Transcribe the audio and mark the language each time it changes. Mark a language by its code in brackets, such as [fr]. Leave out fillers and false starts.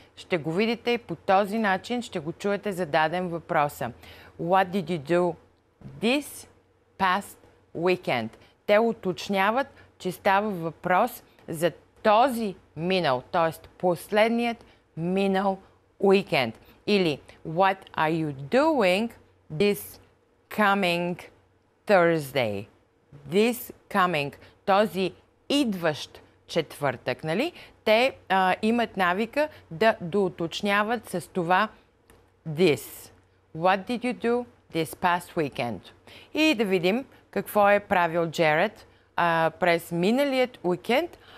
[bg] Ще го видите и по този начин ще го чуете зададен въпроса. [en] What did you do this past weekend? [bg] Те уточняват, че става въпрос за този минал, т.е. последният минал уикенд. [en] Или what are you doing this coming Thursday? This coming, [bg] този идващ четвъртък, нали? Те имат навика да доуточняват с това this. [en] What did you do this past weekend? [bg] И да видим какво е правил Джеред през миналият уикенд.